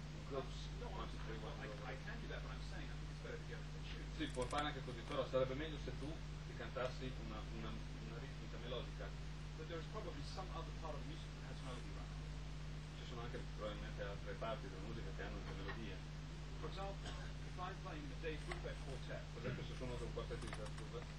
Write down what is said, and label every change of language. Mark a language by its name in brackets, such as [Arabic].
[English] No, no, no, no, I can do that, but I'm saying I think it's better to get a tune. [Italian] Sì, puoi fare anche così, però sarebbe meglio se tu ti cantassi una ritmica melodica. [English] But there's probably some other part of music that has melody around. [Italian] Ci sono anche probabilmente altre parti della musica che hanno delle melodie. [English] For example, if I'm playing the Dave Brubeck Quartet. [Italian] Per esempio, se sono un quartetto di Dave Brubeck.